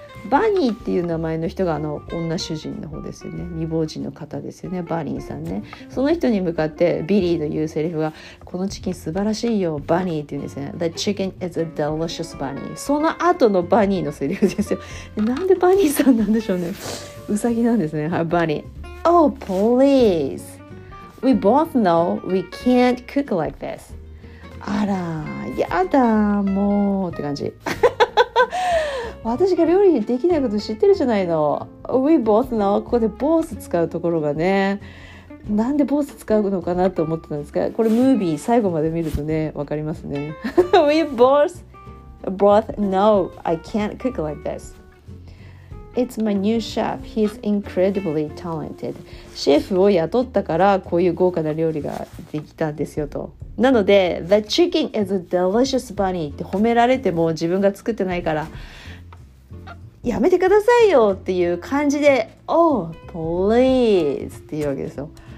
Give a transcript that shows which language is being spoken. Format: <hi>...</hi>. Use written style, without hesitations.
<ja>バニーっていう名前の人があの女主人の方ですよね、未亡人の方ですよね、バニーさんね。その人に向かってビリーの言うセリフが、このチキン素晴らしいよバニーって言うんですね。</ja> <en>The chicken is a delicious bunny。</en> <ja>その後のバニーのセリフですよ。なんでバニーさんなんでしょうね、ウサギなんですね。はい、バニー。</ja> <en>Oh please, we both know we can't cook like this。</en> <ja>あら、やだもうって感じ。私が料理できないこと知ってるじゃないの。</ja> <en>We both know、</en> <ja>ここで both 使うところがね、なんで both 使うのかなと思ってたんですが、これムービー最後まで見るとね、わかりますね。</ja> <en>We both know I can't cook like this. It's my new chef. He's incredibly talented.</en> <ja>シェフを雇ったからこういう豪華な料理ができたんですよと。なので</ja> <en>The chicken is a delicious bunny</en> <ja>って褒められても、自分が作ってないからやめてくださいよっていう感じで、</ja> <en>Oh please</en> <ja>っていうわけですよ。</ja>